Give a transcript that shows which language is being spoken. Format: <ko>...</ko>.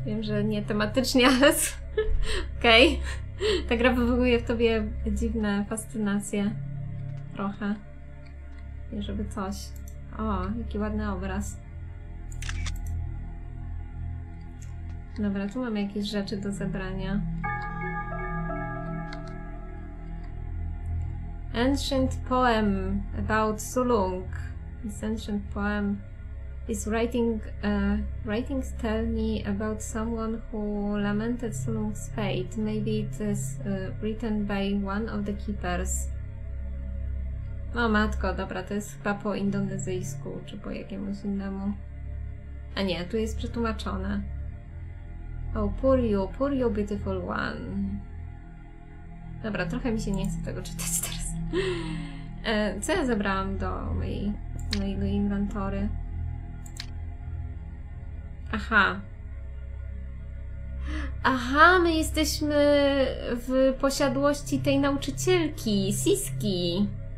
<pl>Wiem, że nie tematycznie, ale... Okej. Ta gra wywołuje w tobie dziwne fascynacje. Trochę. Nie, żeby coś. O, jaki ładny obraz. Dobra, tu mam jakieś rzeczy do zebrania.</pl> <en>Ancient poem about Sulung. This ancient poem is writing... writings tell me about someone who lamented Sulung's fate. Maybe it is written by one of the keepers.</en> <pl>O matko, dobra, to jest chyba po indonezyjsku, czy po jakiemuś innemu. A nie, tu jest przetłumaczone.</pl> <en>Oh, poor you beautiful one.</en> <pl>Dobra, trochę mi się nie chce tego czytać teraz. Co ja zabrałam do mojego inwentory? Aha. Aha, my jesteśmy w posiadłości tej nauczycielki, Siski.</pl>